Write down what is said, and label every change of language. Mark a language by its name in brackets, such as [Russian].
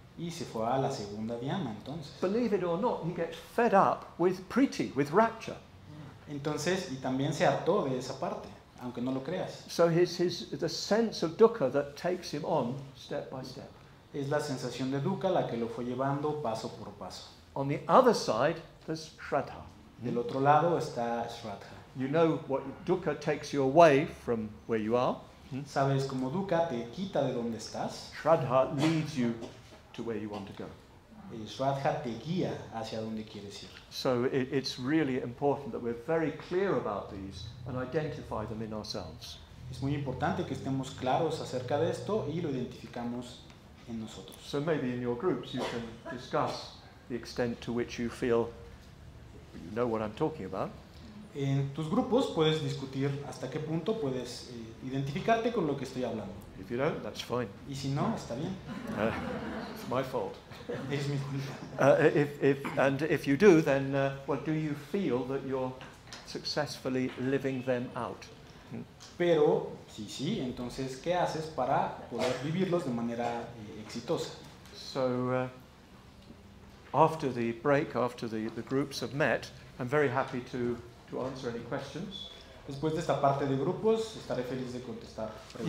[Spanish] Y se fue a la segunda dhyana, entonces. [English] Believe it or not, he gets fed up with priti, with rapture. [Spanish] Entonces, y también se hartó de esa parte, aunque no lo creas. [English] So his the sense of dukkha that takes him on step by step. [Spanish] Es la sensación de dukkha la que lo fue llevando paso por paso. [English] On the other side, there's shraddha. [Spanish] Del otro lado está shraddha. [English] You know what dukkha takes you away from where you are. [Spanish] Sabes cómo dukkha te quita de donde estás. [English] Shraddha leads you to where you want to go. [Spanish] Y shraddha te guía hacia donde quieres ir. [English] So it's really important that we're very clear about these and identify them in ourselves. [Spanish] Es muy importante que estemos claros acerca de esto y lo identificamos en nosotros. [English] So maybe in your groups you can discuss the extent to which you feel you know what I'm talking about. [Spanish] En tus grupos puedes discutir hasta qué punto puedes identificarte con lo que estoy hablando. [English] If you don't, that's fine. [Spanish] Y si no, está bien. [English] It's my fault. [Spanish] Es mi culpa. [English] If you do, then do you feel that you're successfully living them out? [Spanish] Pero sí, entonces ¿qué haces para poder vivirlos de manera exitosa? [English] So after the break, after the groups have met, I'm very happy to answer any questions. [Spanish] Después de esta parte de grupos, estaré feliz de contestar preguntas.